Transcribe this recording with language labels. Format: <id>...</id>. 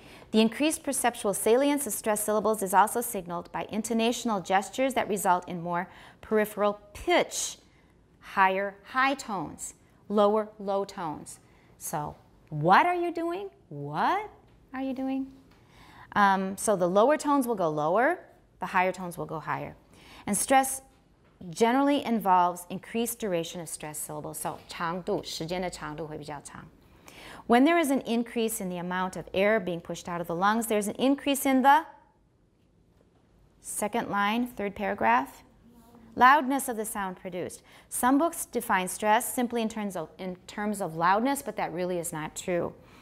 <en>The increased perceptual salience of stressed syllables is also signaled by intonational gestures that result in more peripheral pitch, higher high tones, lower low tones. So what are you doing? What are you doing? So the lower tones will go lower, the higher tones will go higher. And stress generally involves increased duration of stress syllables.</en> <zh>So 长度，时间的长度会比较长。</zh> <en>When there is an increase in the amount of air being pushed out of the lungs, there's an increase in the second line, third paragraph, loudness of the sound produced. Some books define stress simply in terms of loudness, but that really is not true.</en>